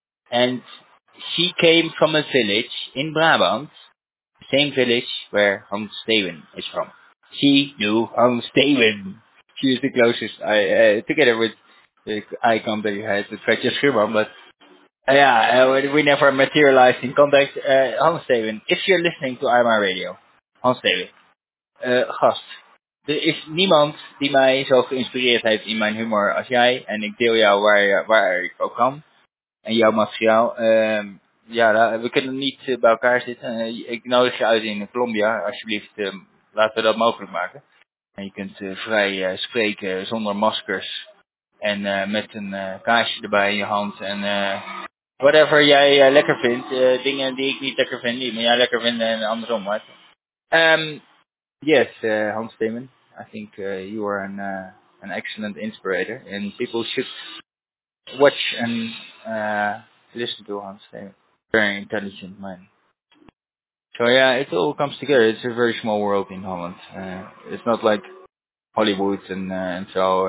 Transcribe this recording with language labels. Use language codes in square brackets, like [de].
[en] And she came from a village in Brabant, the same village where Hans Steven is from. She knew Hans Steven. She was the closest, together with the icon that you had with Fetcher Schumann, but we never materialized in contact. [nl] Hans Steven, [en] if you're listening to IMR Radio, [nl] Hans Steven, gast, er is niemand die mij zo geïnspireerd heeft in mijn humor als jij, en ik deel jou waar ik ook kan. En jouw materiaal, we kunnen niet bij elkaar zitten. Ik nodig je uit in Colombia, alsjeblieft, laten we dat mogelijk maken. En je kunt vrij spreken zonder maskers en met een kaarsje erbij in je hand. En whatever jij lekker vindt, dingen die ik niet lekker vind, die jij lekker vindt en andersom. [en] Right? Yes, Hans Steven, I think you are an excellent inspirator, and people should watch and listen to Hans Steven. Very intelligent man. So yeah, it all comes together. It's a very small world in Holland. It's not like Hollywood and so.